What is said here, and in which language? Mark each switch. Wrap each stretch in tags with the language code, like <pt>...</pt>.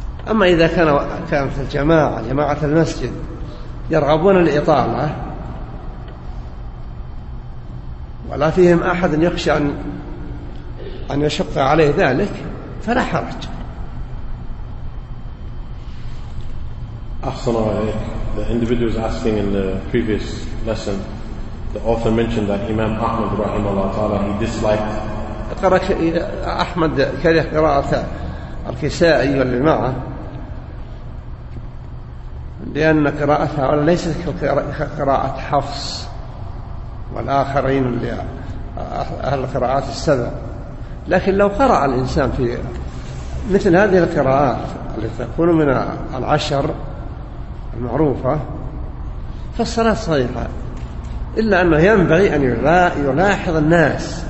<ar>أما إذا كانت الجماعة جماعة المسجد يرغبون الإطالة ولا فيهم أحد يخشى أن يشق عليه ذلك فلا حرج. أحسن الله إليك.</ar> <en>The individual is asking in the previous lesson, the author mentioned that Imam Ahmad rahimahullah ta'ala, he disliked</en> <ar>Ahmad كره قراءة الكسائي والجماعة لأن قراءتها ليست كقراءة حفص والآخرين اللي أهل القراءات السبع، لكن لو قرأ الإنسان في مثل هذه القراءات التي تكون من العشر المعروفة فالصلاة صحيحة، إلا أنه ينبغي أن يلاحظ الناس.</ar>